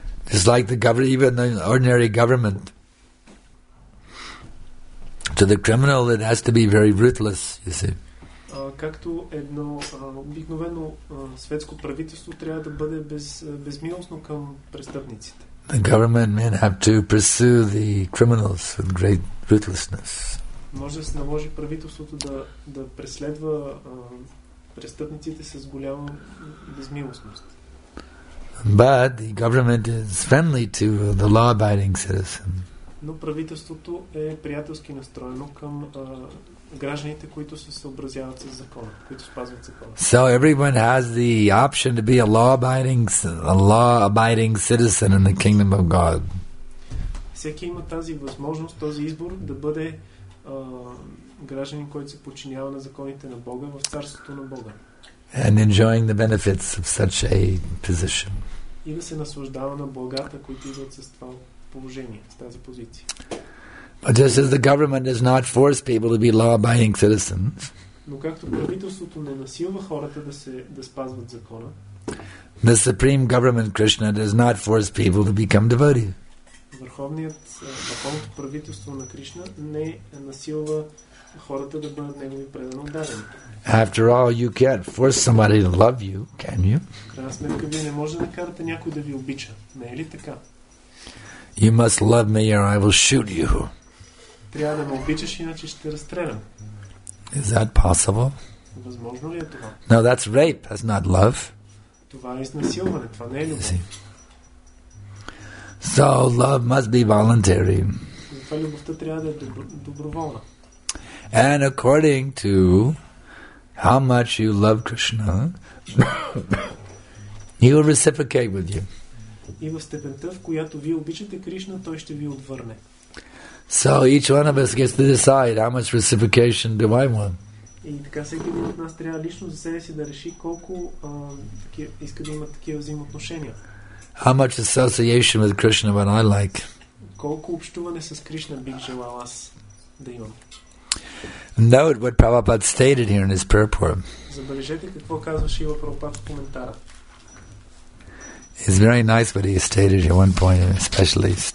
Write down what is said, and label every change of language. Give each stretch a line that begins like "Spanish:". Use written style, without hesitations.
English: Just like the government, even the ordinary government. To the criminal, it has to be very ruthless, you see.
Bulgarian: Както едно обикновено светско правителство трябва да бъде безмилостно към престъпниците.
English: The government men have to pursue the criminals with great ruthlessness.
Bulgarian: Може да се наложи правителството да преследва престъпниците с голяма безмилостност.
English: But the government is friendly to the law-abiding citizen.
Bulgarian: Но правителството е приятелски настроено към гражданите, които се съобразяват с закона, които спазват закона.
English: So everyone has the option to be a law-abiding citizen in the kingdom of God.
Bulgarian: Всеки има тази възможност, този избор да бъде гражданин, който се подчинява на законите на Бога в царството на Бога.
English: And enjoying the benefits of such a position.
Bulgarian: И да се наслаждава на благата, които идват с това положение, с тази позиция.
English: But just as the government does not force people to be law-abiding citizens,
Bulgarian: но както правителството не насилва хората да спазват закона,
English: the supreme government Krishna does not force people to become devotees.
Bulgarian: Върховното правителство на Кришна не насилва хората да бъдат негови предано дадени.
English: After all, you can't force somebody to love you, can you?
Bulgarian: Крайна сметка, вие не можете да карате някой да ви обича, не е ли така?
English: You must love me or I will shoot you.
Bulgarian: Трябва да ме обичаш, иначе ще разстрелям.
English: Is that possible?
Bulgarian: Възможно ли е това?
English: No, that's rape, that's not love.
Bulgarian: Това е изнасилване, това не е любов.
English: So love must be voluntary.
Bulgarian: Затова любовта трябва да е доброволна.
English: And according to how much you love Krishna, He will reciprocate with you.
Bulgarian: И в степента, в която вие обичате Кришна, той ще ви отвърне.
English: So each one of us gets to decide how much reciprocation do I want.
Bulgarian: И така всеки един от нас трябва лично за себе си да реши колко иска да има такива взаимоотношения.
English: How much association with Krishna would I like?
Bulgarian: Колко общуване с Кришна бих желал аз да имам?
English: Note what Prabhupada stated here in his purport.
Bulgarian: Забележете какво казва Шрила Прабхупада в коментара.
English: It's very nice what he stated at one point, especially.